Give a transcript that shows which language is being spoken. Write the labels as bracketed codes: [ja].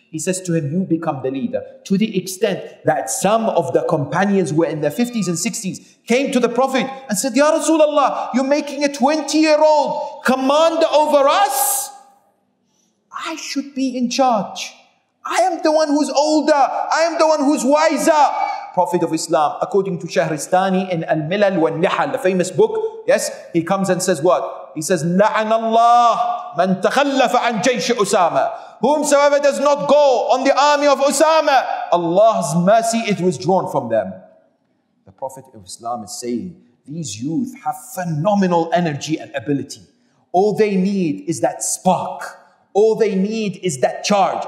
[en] He says to him, you become the leader. To the extent that some of the companions were in their 50s and 60s, came to the Prophet and said, Ya Rasulallah, you're making a 20-year-old commander over us? I should be in charge. I am the one who's older. I am the one who's wiser. Prophet of Islam, according to Shahristani in Al-Milal wa Nihal, the famous book, yes, he comes and says what? He says, [ar] لَعَنَ اللَّهِ مَنْ تَخَلَّفَ عَنْ جَيْشِ أُسَامَ. [en] Whomsoever does not go on the army of Usama, Allah's mercy is withdrawn from them. The Prophet of Islam is saying, these youth have phenomenal energy and ability. All they need is that spark. All they need is that charge.